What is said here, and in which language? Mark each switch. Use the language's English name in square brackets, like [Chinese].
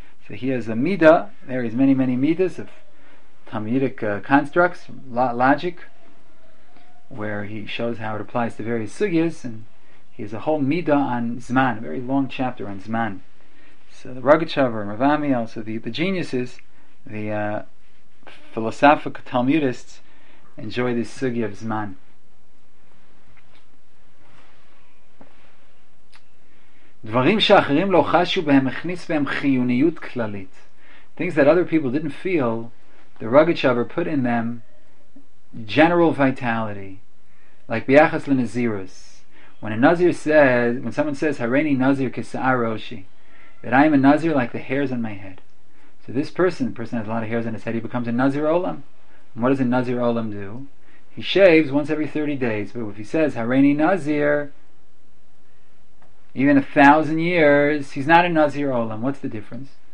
[English] So he has a mida. There is many, many midas of Talmudic constructs, logic, where he shows how it applies to various sugyas, and he has a whole mida on Zman, a very long chapter on Zman. So the Ragachava and Ravami, also the geniuses, the philosophical Talmudists, enjoy this sugya of Zman. [Hebrew] דברים שאחרים לא חשו בהם הכניס בהם חיוניות כללית. [English] Things that other people didn't feel, the Ragachava put in them general vitality. Like [Hebrew] ביחס לנזירוס. [English] When a nazir says, when someone says, [Hebrew] הרני נזיר כשער ראשי, [English] that I am a nazir like the hairs on my head. So this person, the person has a lot of hairs on his head, he becomes a nazir olam. And what does a nazir olam do? He shaves once every 30 days. But if he says, [Hebrew] הרני נזיר, [English] even 1,000 years, he's not a Nazir Olam. What's the difference?